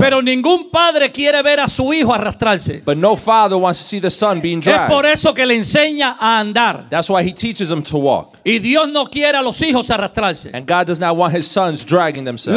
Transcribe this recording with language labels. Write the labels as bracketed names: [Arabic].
[Spanish] Pero ningún padre quiere ver a su hijo arrastrarse. [English] But no father wants to see the son being dragged. [Spanish] Es por eso que le enseña a andar. [English] That's why he teaches him to walk. [Spanish] Y Dios no quiere a los hijos arrastrarse. [English] And God does not want his sons dragging themselves.